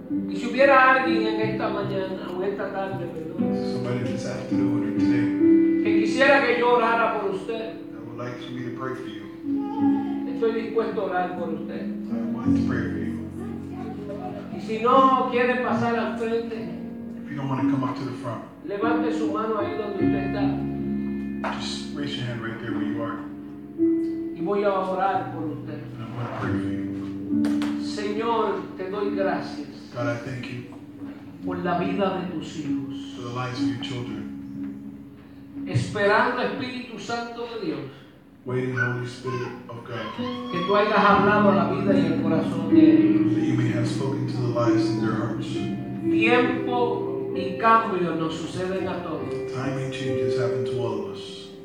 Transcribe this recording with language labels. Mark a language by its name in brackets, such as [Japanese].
[Spanish] Y si hubiera alguien en esta mañana o esta tarde, [English] somebody this afternoon or today, [Spanish] que quisiera que yo orara por usted, [English] that would like for me to pray for you. [Spanish] Estoy dispuesto a orar por usted. [English] I want to pray for you. [Spanish] Y si no quiere pasar al frente, [English] if you don't want to come up to the front, [Spanish] levante su mano ahí donde usted está. [English] Just raise your hand right there where you are. [Spanish] Y voy a orar por usted. [English] I'm going to pray for you. [Spanish] Señor, te doy gracias. [English] God, I thank you. [Spanish] Por la vida de tus hijos. [English] For the lives of your children. [Spanish] Esperando, Espíritu Santo de Dios. [English] Waiting on the Holy Spirit of God. [Spanish] Que tú hayas hablado la vida y el corazón de ellos. [English] That you may have spoken to the lives in their hearts. [Spanish] Tiempo y cambio nos suceden a todos. [English] Time and changes happen to all of us.